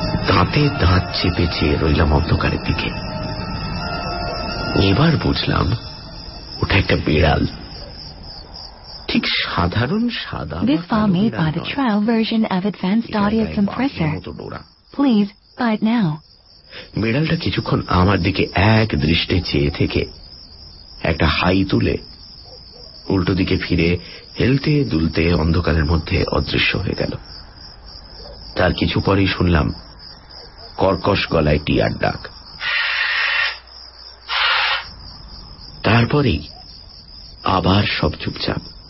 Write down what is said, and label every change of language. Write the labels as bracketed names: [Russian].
[Bangla] দাঁতে দাঁত চেপে চেয়ে রইলাম অন্ধকারের দিকে। এবার বুঝলাম ওটা একটা বিড়াল, ঠিক সাধারণ সাদা। [English] This farm made by the trial version of Advanced Audio Compressor. Please buy it now. [Bangla] বিড়ালটা কিছুক্ষণ আমার দিকে এক দৃষ্টে চেয়ে থেকে একটা হাই তুলে উল্টো দিকে ফিরে হেলতে দুলতে অন্ধকারের মধ্যে অদৃশ্য হয়ে গেল। তার কিছু পরেই শুনলাম কর্কশ গলায় টিয়ার ডাক, তারপরেই আবার সব চুপচাপ।